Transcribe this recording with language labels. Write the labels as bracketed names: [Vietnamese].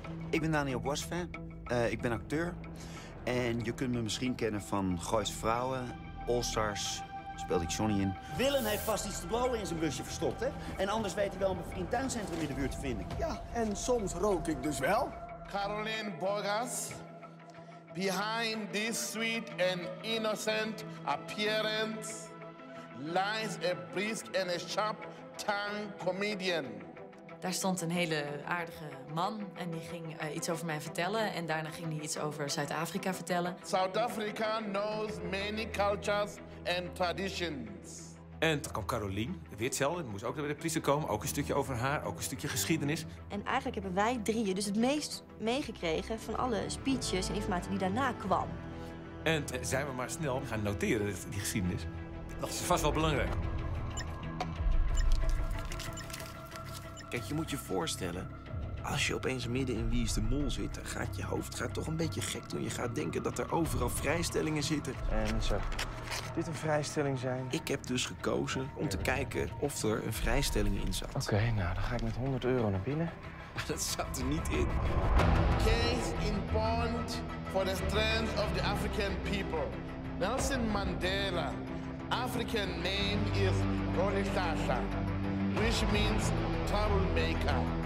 [Dutch] Ik ben Daniel Boisvin. Ik ben acteur. En je kunt me misschien kennen van Gooise Vrouwen, All-Stars, speelde ik Johnny in. Willem heeft vast iets te blowen in zijn busje verstopt, hè? En anders weet hij wel een bevriend tuincentrum in de buurt te vinden. Ja, en soms rook ik dus wel. [English] Caroline Borgas, behind this sweet and innocent appearance lies a brisk and a sharp-tongued comedian. [Dutch] Daar stond een hele aardige man en die ging iets over mij vertellen. En daarna ging hij iets over Zuid-Afrika vertellen. [English] South Africa knows many cultures and traditions. [Dutch] En toen kwam Caroline, weer hetzelfde, moest ook bij de priester komen. Ook een stukje over haar, ook een stukje geschiedenis. En eigenlijk hebben wij drieën dus het meest meegekregen van alle speeches en informatie die daarna kwam. En zijn we maar snel gaan noteren, die geschiedenis. Dat is vast wel belangrijk. Kijk, je moet je voorstellen, als je opeens midden in Wie is de Mol zit, dan gaat je hoofd gaat toch een beetje gek doen. Je gaat denken dat er overal vrijstellingen zitten. En zo, dit een vrijstelling zijn? Ik heb dus gekozen om te kijken of er een vrijstelling in zat. Oké, nou, dan ga ik met 100 euro naar binnen. Dat zat er niet in. [English] Case in point for the strength of the African people. Nelson Mandela. African name is Rolihlahla, which means troublemaker.